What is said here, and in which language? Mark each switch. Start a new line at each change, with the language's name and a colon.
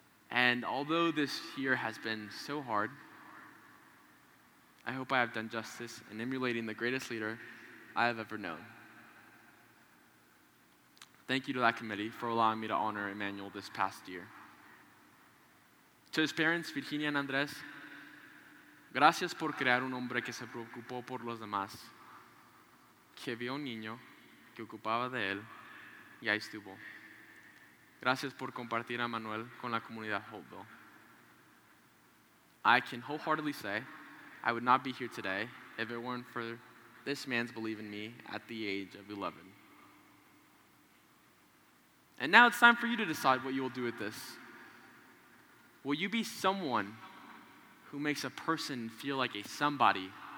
English: And although this year has been so hard, I hope I have done justice in emulating the greatest leader I have ever known. Thank you to that committee for allowing me to honor Emmanuel this past year. To his parents, Virginia and Andres,
Spanish: gracias por crear un hombre que se preocupó por los demás, que vio un niño que ocupaba de él, y ahí estuvo. Gracias por compartir a Manuel con la comunidad Hopeville.
English: I can wholeheartedly say I would not be here today if it weren't for this man's belief in me at the age of 11. And now it's time for you to decide what you will do with this. Will you be someone who makes a person feel like a somebody?